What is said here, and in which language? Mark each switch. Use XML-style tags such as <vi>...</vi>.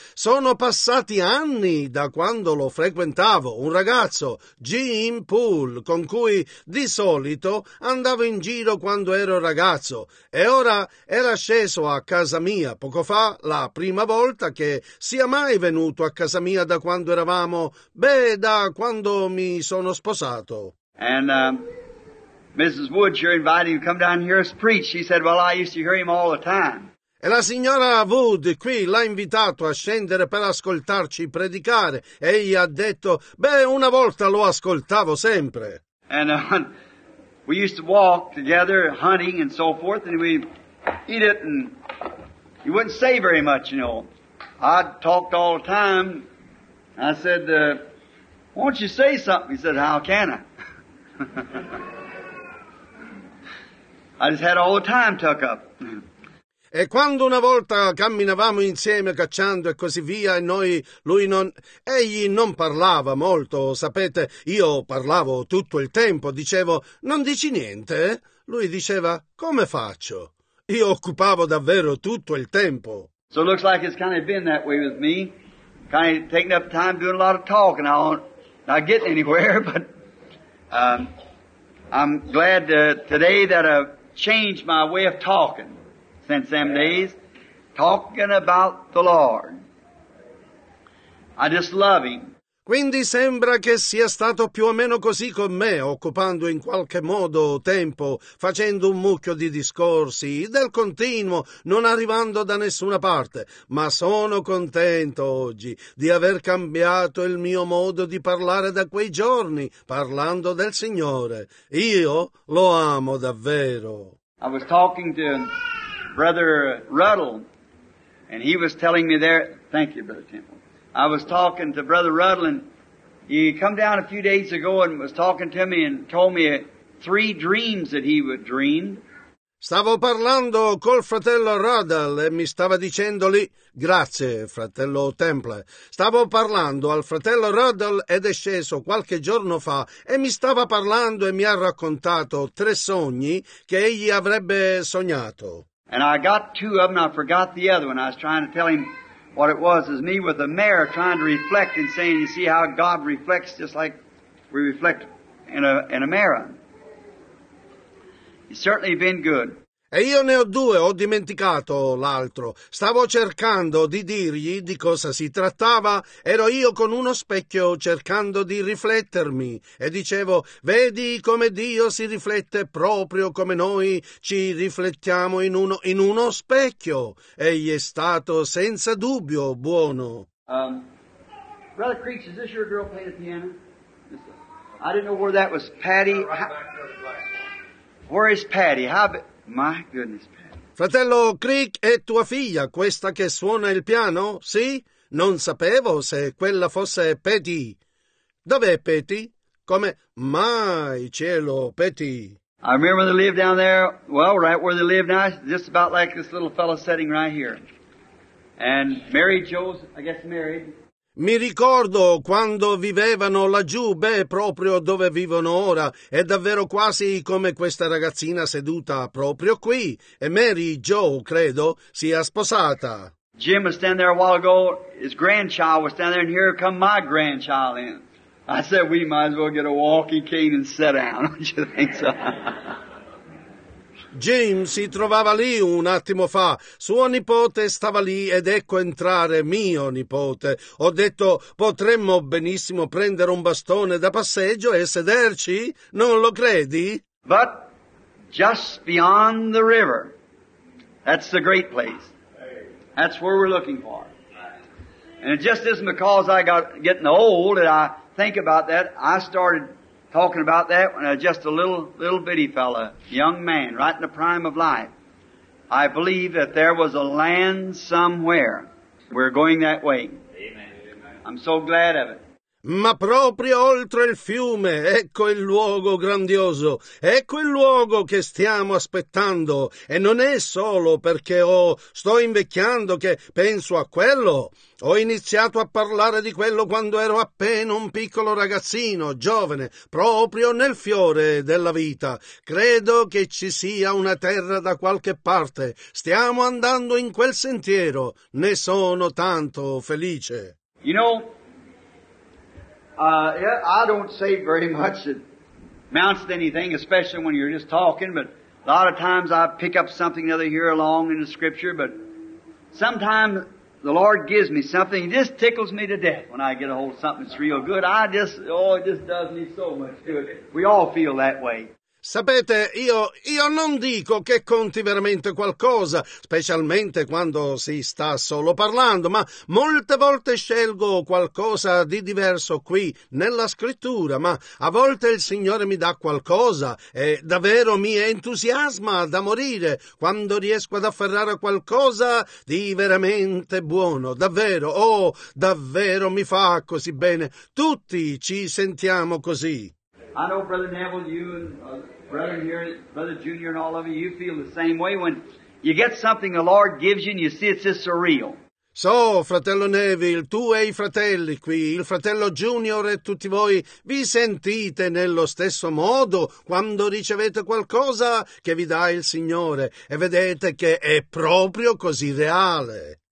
<it>sono passati anni da quando lo frequentavo, un ragazzo, Jim Poole, con cui di solito andavo in giro quando ero ragazzo, e ora era sceso a casa mia poco fa, la prima volta che sia mai venuto a casa mia da quando eravamo, da quando mi sono sposato.</it> <en>Mrs. Woods, you're inviting him to come down and hear us preach. She said, well, I used to hear him all the time.</en> <it>E la signora Wood qui l'ha invitato a scendere per ascoltarci predicare. Egli ha detto, una volta lo ascoltavo sempre.</it> <en>And we used to walk together, hunting and so forth, and we'd eat it, and you wouldn't say very much, you know. I talked all the time. I said, won't you say something? He said, how can I? I just had all the time tuck up.</en> <it>E quando una volta camminavamo insieme cacciando e così via, e egli non parlava molto, sapete, io parlavo tutto il tempo, dicevo, non dici niente? Lui diceva, come faccio? Io occupavo davvero tutto il tempo.</it> <en>So it looks like it's kind of been that way with me, kind of taking up time doing a lot of talk, and I don't not get anywhere, but I'm glad today that a changed my way of talking since them days, talking about the Lord. I just love Him.</en> <it>Quindi sembra che sia stato più o meno così con me, occupando in qualche modo tempo, facendo un mucchio di discorsi, del continuo, non arrivando da nessuna parte. Ma sono contento oggi di aver cambiato il mio modo di parlare da quei giorni, parlando del Signore. Io lo amo davvero.</it> <en>I was talking to Brother Ruddle, and he was telling me there, thank you, Brother Temple. I was talking to Brother Ruddle, and he come down a few days ago and was talking to me and told me three dreams that he would dream.</en> <it>Stavo parlando col fratello Ruddle e mi stava dicendo lì, grazie fratello Temple. Stavo parlando al fratello Ruddle ed è sceso qualche giorno fa e mi stava parlando e mi ha raccontato tre sogni che egli avrebbe sognato.</it> <en>And I got two of them, I forgot the other one. I was trying to tell him what it was. It was me with a mirror trying to reflect and saying, you see how God reflects just like we reflect in a mirror. It's certainly been good.</en> <it>E io ne ho due, ho dimenticato l'altro. Stavo cercando di dirgli di cosa si trattava. Ero io con uno specchio cercando di riflettermi. E dicevo, vedi come Dio si riflette proprio come noi ci riflettiamo in uno specchio. Egli è stato senza dubbio buono.</it> <en>Brother Creech, is this your girl playing the piano? I didn't know where that was, Patty. Where is Patty? My goodness, Patty.</en> <it>Fratello Creek è tua figlia, questa che suona il piano? Sì? Non sapevo se quella fosse Patty. Dov'è Patty? Come mai cielo, Patty?</it> <en>I remember they live down there, well, right where they live now, just about like this little fellow sitting right here. And Mary Jo's, I guess, married.</en> <it>Mi ricordo quando vivevano laggiù, beh, proprio dove vivono ora. È davvero quasi come questa ragazzina seduta proprio qui. E Mary Jo, credo, sia sposata.</it> <en>Jim was standing there a while ago. His grandchild was standing there, and here come my grandchild in. I said, we might as well get a walking cane and sit down, don't you think so?</en> <it>Jim si trovava lì un attimo fa. Suo nipote stava lì ed ecco entrare mio nipote. Ho detto, potremmo benissimo prendere un bastone da passeggio e sederci? Non lo credi?</it> <en>But just beyond the river, that's the great place. That's where we're looking for. And it just isn't because I got getting old that I think about that. I started talking about that when I was just a little bitty fella, young man, right in the prime of life. I believe that there was a land somewhere. We're going that way. Amen. I'm so glad of it.</en> <it>Ma proprio oltre il fiume, ecco il luogo grandioso, ecco il luogo che stiamo aspettando. E non è solo perché sto invecchiando che penso a quello. Ho iniziato a parlare di quello quando ero appena un piccolo ragazzino, giovane, proprio nel fiore della vita. Credo che ci sia una terra da qualche parte. Stiamo andando in quel sentiero. Ne sono tanto felice.</it> <en>You know, I don't say very much that amounts to anything, especially when you're just talking, but a lot of times I pick up something or other here along in the scripture, but sometimes the Lord gives me something. He just tickles me to death when I get a hold of something that's real good. It just does me so much good. We all feel that way.</en> <it>Sapete, io non dico che conti veramente qualcosa, specialmente quando si sta solo parlando, ma molte volte scelgo qualcosa di diverso qui nella scrittura, ma a volte il Signore mi dà qualcosa e davvero mi entusiasma da morire quando riesco ad afferrare qualcosa di veramente buono, davvero, oh, davvero mi fa così bene, tutti ci sentiamo così.</it> <en>I know Brother Neville, you and Brother here, Brother Junior and all of you, you feel the same way when you get something the Lord gives you and you see it's just surreal.</en> <it>So, fratello Neville, tu e i fratelli qui, il fratello Junior e tutti voi, vi sentite nello stesso modo quando ricevete qualcosa che vi dà il Signore e vedete che è proprio così reale.</it>